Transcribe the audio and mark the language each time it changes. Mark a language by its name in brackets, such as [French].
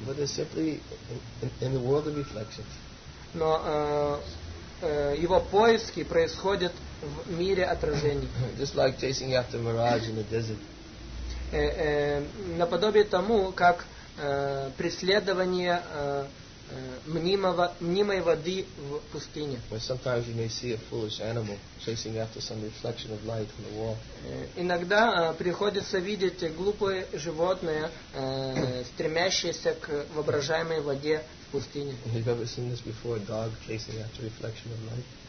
[English] But they're simply in the world of reflections. [Russian] Но его поиски происходят в мире отражений. [English] Just like chasing after mirage in the desert. [Russian] наподобие тому, как преследование мнимой воды в пустыне. [English] Sometimes you may see a foolish animal chasing after some reflection of light on the wall. [Russian] Иногда приходится видеть глупое животное, стремящееся к воображаемой воде в пустыне. [English] Have you ever seen this before, a dog chasing after reflection of light?